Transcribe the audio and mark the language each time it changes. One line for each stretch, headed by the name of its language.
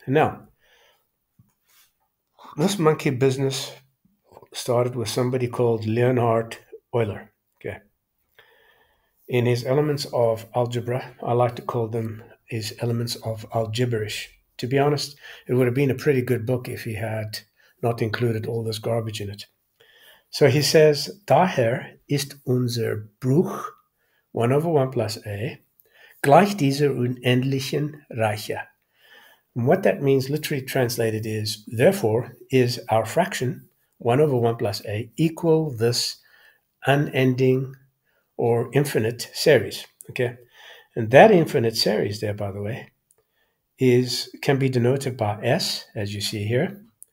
English: Now, this monkey business started with somebody called Leonhard Euler. Okay. In his Elements of Algebra, I like to call them his Elements of Algebraish. To be honest, it would have been a pretty good book if he had not included all this garbage in it. So he says,
German: daher ist unser Bruch, 1 over 1 plus a, gleich dieser unendlichen Reiche.
English: And what that means, literally translated, is, therefore, is our fraction, 1 over 1 plus a, equal this unending or infinite series, okay? And that infinite series there, by the way, can be denoted by S, as you see here.